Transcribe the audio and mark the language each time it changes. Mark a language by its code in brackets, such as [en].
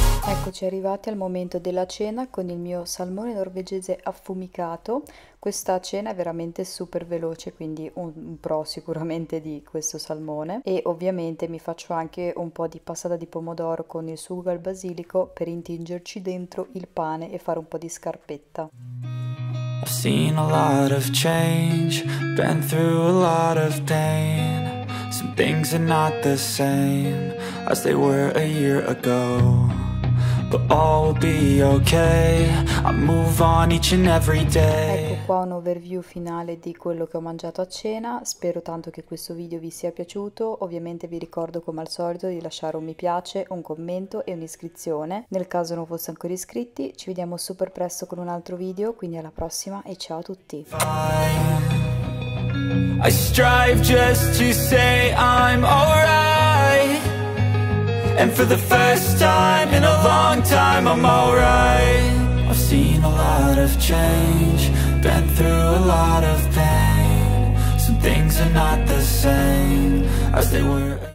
[it] Eccoci arrivati al momento della cena con il mio salmone norvegese affumicato. Questa cena è veramente super veloce, quindi un pro sicuramente di questo salmone. E ovviamente mi faccio anche un po' di passata di pomodoro con il sugo al basilico per intingerci dentro il pane e fare un po' di scarpetta. [en] I've seen a lot of change, been through a lot of pain. Some things are not the same as they were a year ago. But all will be okay, I move on each and every day. [it] Ecco qua un overview finale di quello che ho mangiato a cena. Spero tanto che questo video vi sia piaciuto. Ovviamente vi ricordo come al solito di lasciare un mi piace, un commento e un'iscrizione nel caso non foste ancora iscritti. Ci vediamo super presto con un altro video, quindi alla prossima e ciao a tutti. [en] I strive just to say I'm alright. And for the first time in a long time, I'm alright. I've seen a lot of change, been through a lot of pain. Some things are not the same as they were.